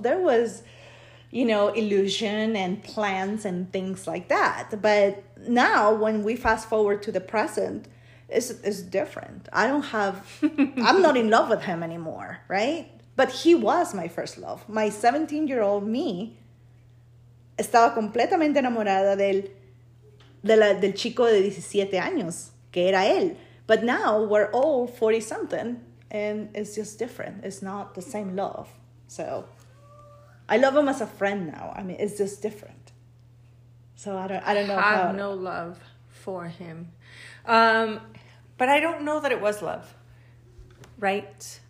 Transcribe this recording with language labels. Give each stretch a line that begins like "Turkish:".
English: There was, you know, illusion and plans and things like that. But now when we fast forward to the present, it's different. I don't have, I'm not in love with him anymore, right? But he was my first love. My 17-year-old me.
Spanish: Estaba completamente enamorada del chico de 17 años, que era él.
English: But now we're all 40-something, and it's just different. It's not the same love. So I love him as a friend now. I mean, it's just different. So I don't know. I have no love for him. But I don't know that it was love, right?